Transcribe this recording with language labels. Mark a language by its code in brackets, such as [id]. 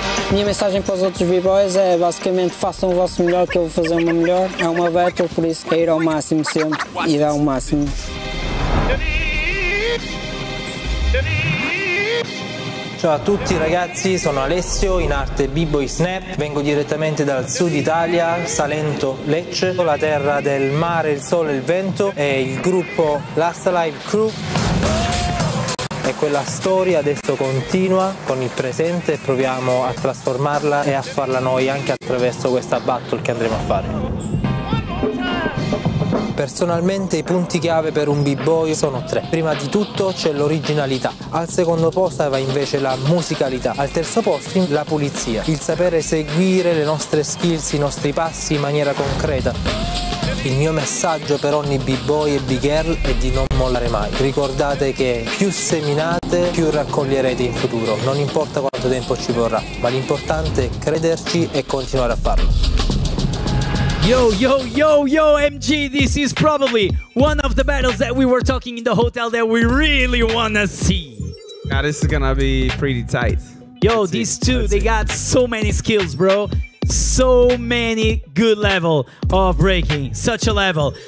[pt] Minha mensagem para os outros b-boys é basicamente façam o vosso melhor, que eu vou fazer o meu melhor. É uma battle, por isso é ir ao máximo sempre e dar o máximo. [it] Ciao a tutti ragazzi, sono Alessio, in arte B-Boy Snap, vengo direttamente dal sud Italia, Salento, Lecce, la terra del mare, il sole e il vento, e il gruppo Last Alive Crew. E quella storia adesso continua con il presente e proviamo a trasformarla e a farla noi anche attraverso questa battle che andremo a fare. Personalmente i punti chiave per un b-boy sono 3. Prima di tutto c'è l'originalità, al secondo posto va invece la musicalità, al terzo posto la pulizia, il sapere seguire le nostre skills, i nostri passi in maniera concreta. Il mio messaggio per ogni b-boy e b-girl è di non mollare mai. Ricordate che più seminate, più raccoglierete in futuro. Non importa quanto tempo ci vorrà, ma l'importante è crederci e continuare a farlo. [en] Yo, MG, this is probably one of the battles that we were talking in the hotel that we really wanna see. Now this is gonna be pretty tight. Yo, let's these see. Two, let's they see. Got so many skills, bro. So many good level of breaking, such a level.